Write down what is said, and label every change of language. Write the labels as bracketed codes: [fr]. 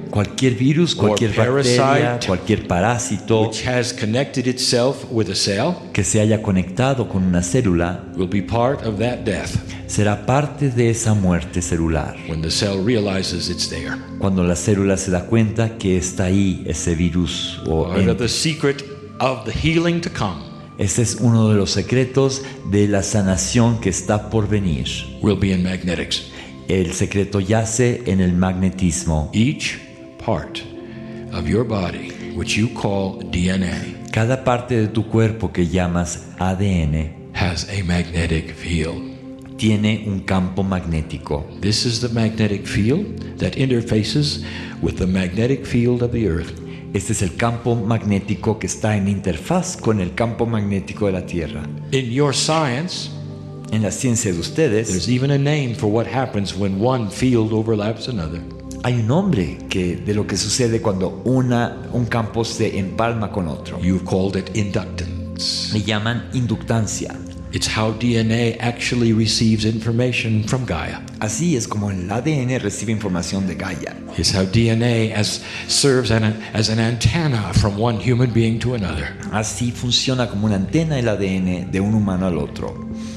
[es] cualquier virus, cualquier bacteria, cualquier parásito, [en] which has connected itself with a cell, [es] que se haya conectado con una célula, [en] will be part of that death, [es] será parte de esa muerte celular. [en] When the cell realizes it's there, [es] cuando la célula se da cuenta que está ahí ese virus o [en] part of the secret of the healing to come, [es] Este es uno de los secretos de la sanación que está por venir. [en] We'll be in magnetics. [es] El secreto yace en el magnetismo. [en] Each part of your body, which you call DNA, [es] cada parte de tu cuerpo que llamas ADN, [en] has a magnetic field. [es] Tiene un campo magnético. [en] This is the magnetic field that interfaces with the magnetic field of the earth. [es] Este es el campo magnético que está en interfaz con el campo magnético de la Tierra. [en] In your science, [es] en la ciencia de ustedes, [en] there's even a name for what happens when one field overlaps another. [es] Hay un nombre que de lo que sucede cuando un campo se empalma con otro. [en] You called it inductance. [es] Le llaman inductancia. [en] It's how DNA actually receives information from Gaia. [es] Así es como el ADN recibe información de Gaia. [en] It's how DNA serves as an antenna from one human being to another. [es] Así funciona como una antena el ADN de un humano al otro.